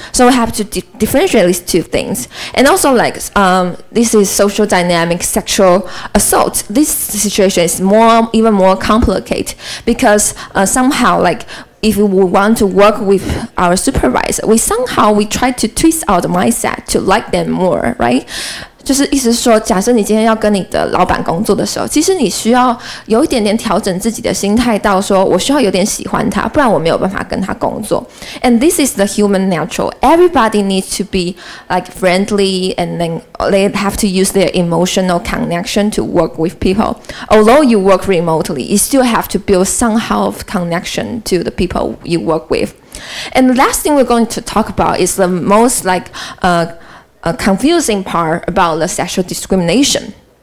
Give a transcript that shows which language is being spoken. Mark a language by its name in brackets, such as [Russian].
[English] So we have to differentiate these two things. And also like this is social dynamic sexual assault. This situation is even more complicated because somehow like if we want to work with our supervisor, we somehow we try to twist our mindset to like them more, right? [Chinese] 就是意思说，假设你今天要跟你的老板工作的时候，其实你需要有一点点调整自己的心态，到说我需要有点喜欢他，不然我没有办法跟他工作。 [English] And this is the human natural. Everybody needs to be like friendly, and then they have to use their emotional connection to work with people. Although you work remotely, you still have to build somehow of connection to the people you work with. And the last thing we're going to talk about is the most like a confusing part about the sexual discrimination.